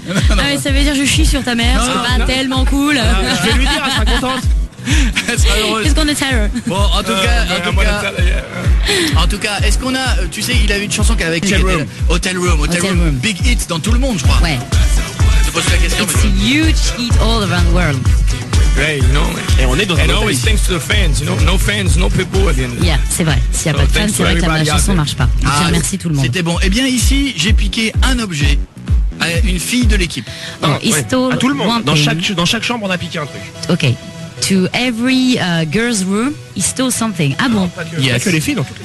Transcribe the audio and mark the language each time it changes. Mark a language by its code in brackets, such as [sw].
[fr] Non, ça veut dire je chie sur ta mère, c'est pas tellement cool. Je vais lui dire, elle sera contente. Qu'est-ce qu'on est terreur. Bon, en tout cas, est-ce qu'on a, tu sais, il avait une chanson qu'avec Hotel Room, big hit dans tout le monde, je crois. Ouais. Je pose la question. [en] It's a huge hit all around the world. Hey, you know, [fr] et on est dans [en] and always thanks to the fans, you know, no fans, no people at the end. [fr] Yeah, c'est vrai. S'il n'y a pas de fans, c'est vrai que la chanson ne marche pas. Ah, merci tout le monde. C'était bon. Eh bien, ici, j'ai piqué un objet à une fille de l'équipe. [en] Stole [fr] à tout le monde. Dans chaque chambre, on a piqué un truc. [en] Ok. To every girl's room, he stole something. [fr] Ah bon? Il n'y a que les filles dans toutes les